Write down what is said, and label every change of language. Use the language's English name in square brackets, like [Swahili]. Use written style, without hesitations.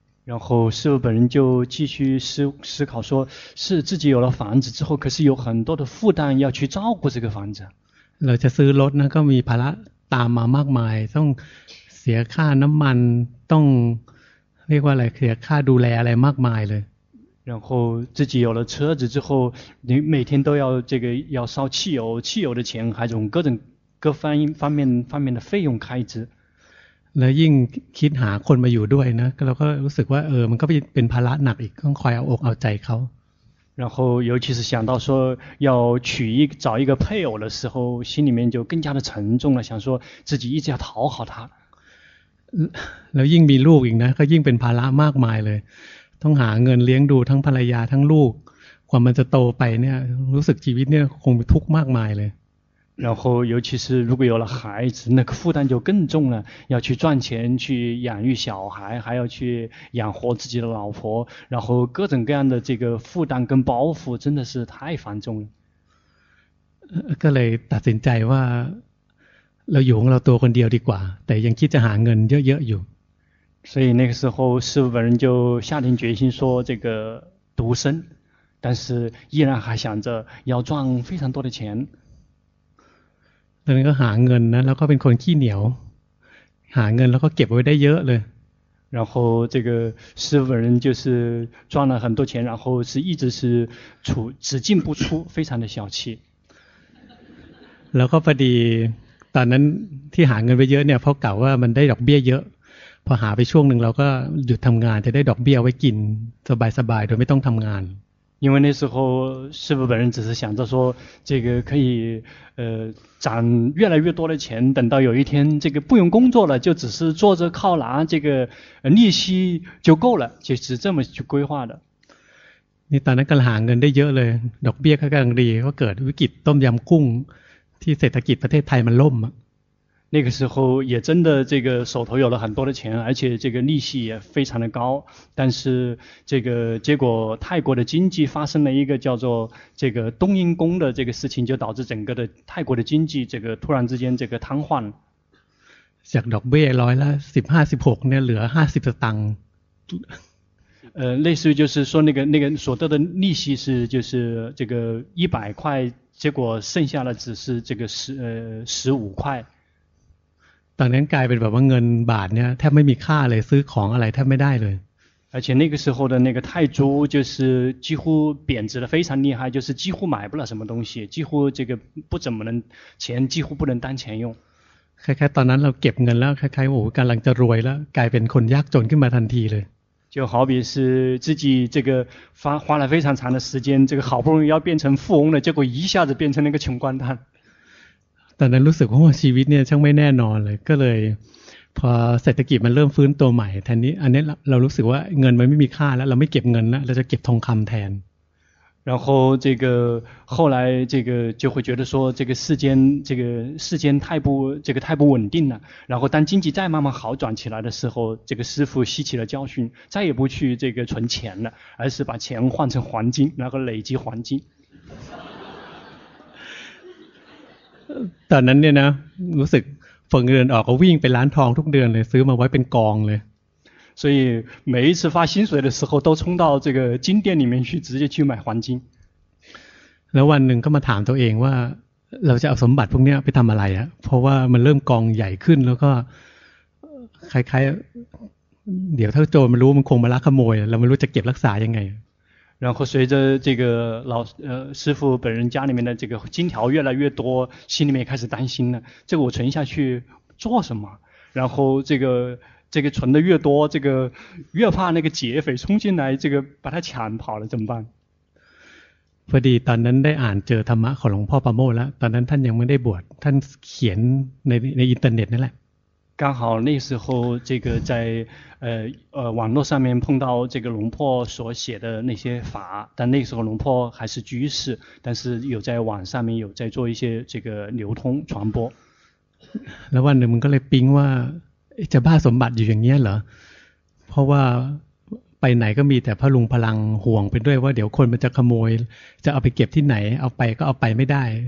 [Chinese] 然后师父本人就继续思考说是自己有了房子之后可是有很多的负担要去照顾这个房子 [Thai] เราจะซื้อรถนะก็มีภาระตามมามากมายต้องเสียค่าน้ำมันต้องเรียกว่าอะไรเสียค่าดูแลอะไรมากมายเลย [Chinese] 然后自己有了车子之后你每天都要这个要烧汽油汽油的钱还有各方面的费用开支 [Thai] แล้วยิ่งคิดหาคนมาอยู่ด้วยนะเราก็รู้สึกว่ามันก็เป็นภาระหนักอีกต้องคอยเอาอกเอาใจเขา [Chinese] 然后尤其是想到说要娶一找一个配偶的时候心里面就更加的沉重了想说自己一直要讨好他 [Thai] แล้วยิ่งมีลูกอีกนะก็ยิ่งเป็นภาระมากมายเลยต้องหาเงินเลี้ยงดูทั้งภรรยาทั้งลูกกว่ามันจะโตไปเนี่ยรู้สึกชีวิตเนี่ยคงทุกข์มากมายเลย [Chinese] 然后尤其是如果有了孩子那个负担就更重了要去赚钱去养育小孩还要去养活自己的老婆然后各种各样的这个负担跟包袱真的是太繁重了 [Thai] ก็เลยตัดสินใจว่าเราอยู่ของเราตัวคนเดียวดีกว่าแต่ยังคิดจะหาเงินเยอะๆอยู่ [Chinese] 所以那个时候师父本人就下定决心说这个独身但是依然还想着要赚非常多的钱 [Thai] ตอนนั้นก็หาเงินนะแล้วก็เป็นคนขี้เหนียวหาเงินแล้วก็เก็บไว้ได้เยอะเลย [Chinese] 然后这个师父人就是赚了很多钱然后是一直是储只进不出非常的小气 [Thai] แล้วก็พอดีตอนนั้นที่หาเงินไปเยอะเนี่ยเพราะกล่าวว่ามันได้ดอกเบี้ยเยอะพอหาไปช่วงหนึ่งเราก็หยุดทำงานจะได้ดอกเบี้ยไว้กินสบายสบายโดยไม่ต้องทำงาน [Chinese] 因为那时候师父本人只是想着说这个可以攒越来越多的钱等到有一天这个不用工作了就只是坐着靠拿这个利息就够了就是这么去规划的你 [Thai] ตอนนั้นกำลังหาเงินได้เยอะเลยดอกเบี้ยก็กำลังดีก็เกิดวิกฤตต้มยำกุ้งที่เศรษฐกิจประเทศไทยมันล่ม [Chinese] 那个时候也真的这个手头有了很多的钱而且这个利息也非常的高但是这个结果泰国的经济发生了一个叫做这个冬阴功的这个事情就导致整个的泰国的经济这个突然之间这个瘫痪 [Thai] จากดอกเบี้ยร้อยละ15-16เนี่ยเหลือ50สตางค์ [Chinese] 类似于就是说那个所得的利息是就是这个100块结果剩下的只是这个15块 [Thai] ตอนนั้นกลายเป็นแบบว่าเงินบาทเนี่ยแทบไม่มีค่าเลยซื้อของอะไรแทบไม่ได้เลย [Chinese] 而且那个时候的那个泰铢就是几乎贬值的非常厉害，就是几乎买不了什么东西，几乎这个不怎么能钱几乎不能当钱用。 [Thai] คล้ายๆตอนนั้นเราเก็บเงินแล้วคล้ายๆโอ้กำลังจะรวยแล้วกลายเป็นคนยากจนขึ้นมาทันทีเลย [Chinese] 就好比是自己这个花了非常长的时间，这个好不容易要变成富翁了，结果一下子变成那个穷光蛋。 [Thai] ตอนนั้นรู้สึกว่าชีวิตเนี่ยช่างไม่แน่นอนเลยก็เลยพอเศรษฐกิจมันเริ่มฟื้นตัวใหม่ทีนี้อันนี้เรารู้สึกว่าเงินมันไม่มีค่าแล้วเราไม่เก็บเงินแล้วเราจะเก็บทองคำแทน [Chinese] 然后这个后来这个就会觉得说这个世间这个世间太不这个太不稳定了。然后当经济再慢慢好转起来的时候，这个师父吸取了教训，再也不去这个存钱了，而是把钱换成黄金，然后累积黄金。 [Thai] ตอนนั้นเนี่ยนะรู้สึกฝังเงินออกก็วิ่งไปร้านทองทุกเดือนเลยซื้อมาไว้เป็นกองเลย [Chinese] 所以每一次发薪水的时候都冲到这个金店里面去直接去买黄金 [Thai] แล้ววันหนึ่งก็มาถามตัวเองว่าเราจะเอาสมบัติพวกนี้ไปทำอะไรอ่ะเพราะว่ามันเริ่มกองใหญ่ขึ้นแล้วก็คล้ายๆเดี๋ยวถ้าโจรมันรู้มันคงมาลักขโมยเราไม่รู้จะเก็บรักษายังไง [Chinese] 然后随着这个老师父本人家里面的这个金条越来越多心里面开始担心了这个我存下去做什么然后这个存的越多这个越怕那个劫匪冲进来这个把他抢跑了怎么办 [Thai] พอดีตอนนั้นได้อ่านเจอธรรมะของหลวงพ่อประโมทแล้วตอนนั้นท่านยังไม่ได้บวชท่านเขียนในอินเทอร์เน็ตนั่นแหละ [Chinese] 刚好那时候这个在网络上面碰到这个龙破所写的那些法但那时候龙破还是居士但是有在网上面有在做一些这个流通传播 [Thai] แล้ววันหนึ่งมันก็เลยปิ๊งว่าจะบ้าสมบัติอยู่อย่างนี้เหรอเพราะว่าไปไหนก็มีแต่พระลุงพลังห่วงไปด้วยว่าเดี๋ยวคนมันจะขโมยจะเอาไปเก็บที่ไหนเอาไปก็เอาไปไม่ได้